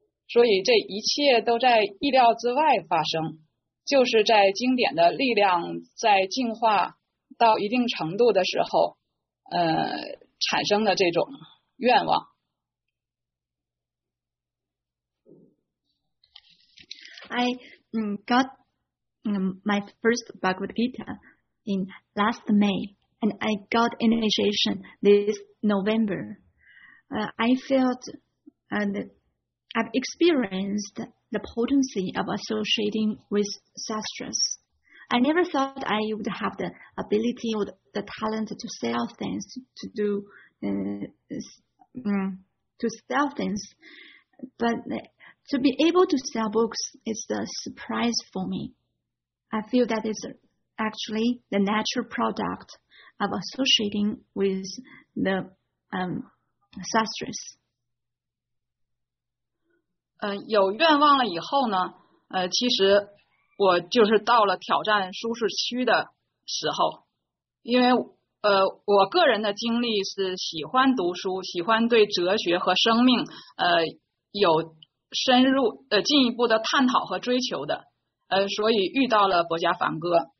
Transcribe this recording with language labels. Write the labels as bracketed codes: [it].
[zh] 所以这一切都在意料之外发生，就是在经典的力量在进化到一定程度的时候，产生的这种愿望。 [en] I got my first Bhagavad Gita in last May, and I got initiation this November. I felt I've experienced the potency of associating with sastras. I never thought I would have the ability or the talent to sell things, but to be able to sell books is a surprise for me. I feel that it's actually the natural product of associating with the sastras. [zh] 有愿望了以后呢，其实我就是到了挑战舒适区的时候，因为我个人的经历是喜欢读书，喜欢对哲学和生命有深入进一步的探讨和追求的，所以遇到了薄伽梵歌，